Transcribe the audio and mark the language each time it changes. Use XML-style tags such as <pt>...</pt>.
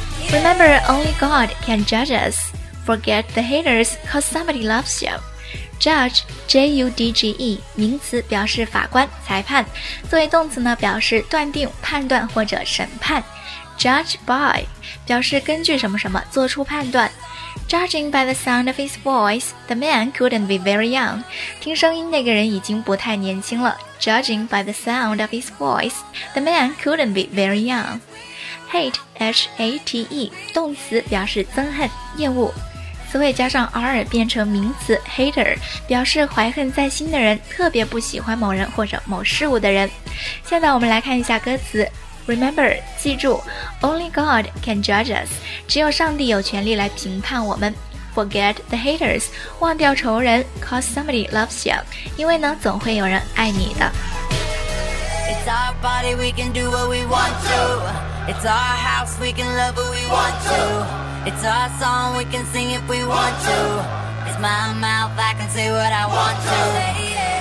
<en>Remember, only God can judge us. Forget the haters, cause somebody loves you.</en> <zh>Judge, J-U-D-G-E, 名词，表示法官、裁判。作为动词呢，表示断定、判断或者审判。 Judge by, 表示根据什么什么做出判断。</zh> <en>Judging by the sound of his voice, the man couldn't be very young.</en> <zh>听声音，那个人已经不太年轻了。</zh> <en>Judging by the sound of his voice, the man couldn't be very young.</en> <zh>Hate, H-A-T-E, 动词，表示憎恨、厌恶。词尾加上 R 变成名词 hater, 表示怀恨在心的人，特别不喜欢某人或者某事物的人。现在我们来看一下歌词。Remember, 记住 ,</zh> <en>Only God can judge us,</en> <zh>只有上帝有权利来评判我们。</zh> <en>Forget the haters,</en> <zh>忘掉仇人 ,</zh> <en>cause somebody loves you,</en> <zh>因为呢总会有人爱你的。</zh> <en>It's our body, we can do what we want to. It's our house, we can love who we want to. It's our song, we can sing if we want to. It's my mouth, I can say what I want to.</en>